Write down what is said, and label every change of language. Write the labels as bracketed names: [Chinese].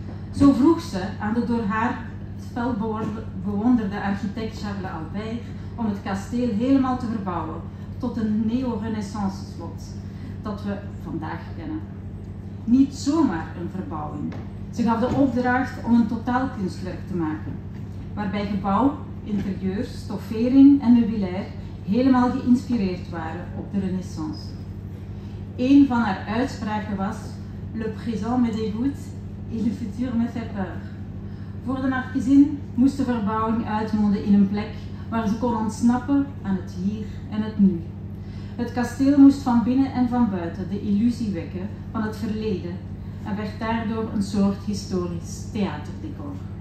[Dutch] Zo vroeg ze aan de door haar fel bewonderde architect Charles Albert om het kasteel helemaal te verbouwen tot een neo-renaissance slot dat we vandaag kennen. Niet zomaar een verbouwing. Ze gaf de opdracht om een totaalkunstwerk te maken, waarbij gebouw, interieur, stoffering en meubilair helemaal geïnspireerd waren op de Renaissance. Een van haar uitspraken was: [French] Le présent me dégoûte et le futur me fait peur. [Dutch] Voor de markiezin moest de verbouwing uitmonden in een plek waar ze kon ontsnappen aan het hier en het nu. Het kasteel moest van binnen en van buiten de illusie wekken van het verleden en werd daardoor een soort historisch theaterdecor.